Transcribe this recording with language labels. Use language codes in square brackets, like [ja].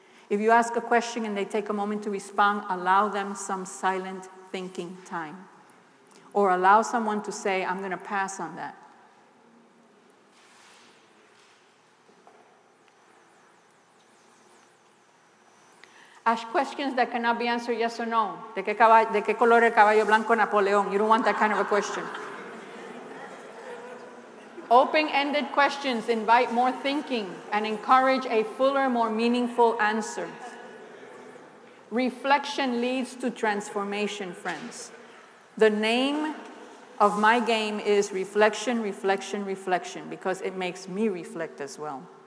[en] If you ask a question and they take a moment to respond, allow them some silent thinking time. Or allow someone to say, I'm going to pass on that. Ask questions that cannot be answered yes or no. [es] ¿De qué color el caballo blanco Napoleón? [en] You don't want that kind of a question. Open-ended questions invite more thinking and encourage a fuller, more meaningful answer. Reflection leads to transformation, friends. The name of my game is reflection, reflection, reflection, because it makes me reflect as well.